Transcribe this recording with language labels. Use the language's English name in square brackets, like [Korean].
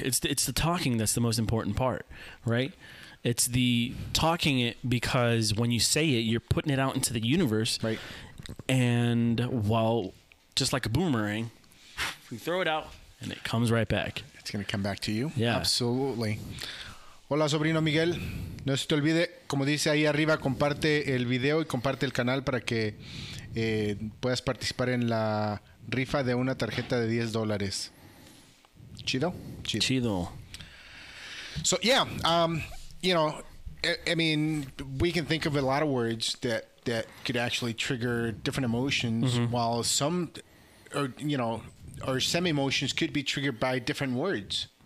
[English] It's the talking that's the most important part, right? It's the talking it, because when you say it, you're putting it out into the universe, right? And while just like a boomerang, we throw it out and it comes right back. It's gonna come back to you. Yeah, absolutely. [Spanish] Hola, sobrino Miguel. No se te olvide, como dice ahí arriba, comparte el video y comparte el canal para que puedas participar en la rifa de una tarjeta de $10. ¿Chido? Chido. Chido. [English] So, yeah, you know, I mean, we can think of a lot of words that could actually trigger different emotions, mm-hmm. while some, or, you know, or some emotions could be triggered by different words.